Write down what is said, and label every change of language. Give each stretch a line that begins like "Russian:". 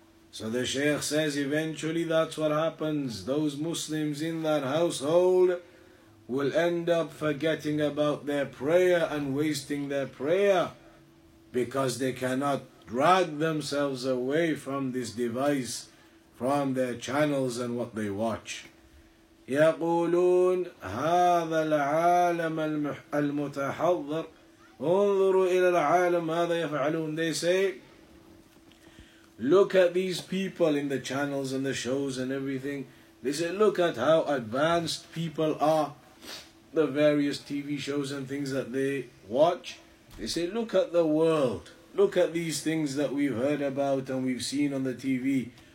English: So the Shaykh says eventually that's what happens. Those Muslims in that household will end up forgetting about their prayer and wasting their prayer because they cannot drag themselves away from this device, from their channels and what they watch.
Arabic: يقولون هذا العالم المتحضر انظروا إلى العالم ماذا يفعلون.
English: They say, look at these people in the channels and the shows and everything. They say, look at how advanced people are. The various TV shows and things that they watch. They say, look at the world. Look at these things that we've heard about and we've seen on the TV.